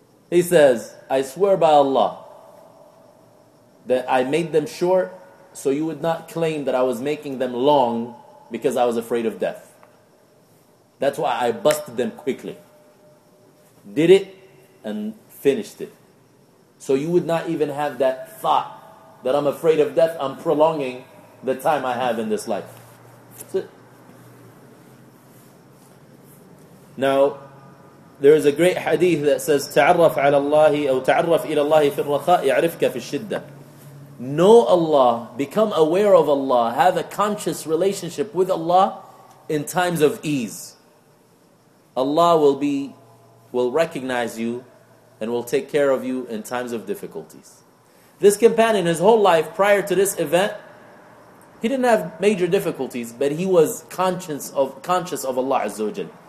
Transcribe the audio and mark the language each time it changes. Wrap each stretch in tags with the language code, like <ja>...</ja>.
<en>He says, I swear by Allah that I made them short so you would not claim that I was making them long because I was afraid of death. That's why I busted them quickly. Did it and finished it. So you would not even have that thought that I'm afraid of death, I'm prolonging the time I have in this life. That's it. Now, there is a great hadith that says,</en> <ar>تعرف على الله أو تعرف إلى الله في الرخاء يعرفك في الشدة.</ar> <en>Know Allah, become aware of Allah, have a conscious relationship with Allah in times of ease. Allah will recognize you and will take care of you in times of difficulties. This companion, his whole life prior to this event, he didn't have major difficulties, but he was conscious of Allah Azza wa Jal.</en>